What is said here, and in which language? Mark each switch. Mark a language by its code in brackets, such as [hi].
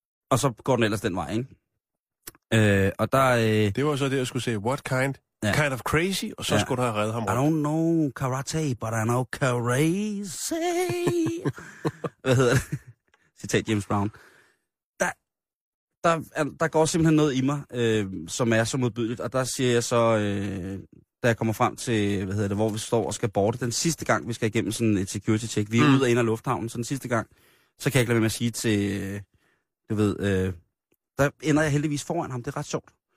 [da] Og så går den ellers den vej, ikke? Og der... Det var så det, jeg skulle sige, what kind? Ja. Kind of crazy, og så ja. Skulle du have reddet ham [en] rundt. I don't know karate, but I know crazy. [da] Hvad hedder det? Citat James Brown. Der går simpelthen noget i mig, som er så modbydeligt, og der siger jeg så, da jeg kommer frem til, hvad hedder det, hvor vi står og skal borte, den sidste gang, vi skal igennem sådan et security check, vi er ude og ind af lufthavnen, så den sidste gang, så kan jeg ikke lade mig sige til, du ved, der ender jeg heldigvis foran ham, det er ret sjovt.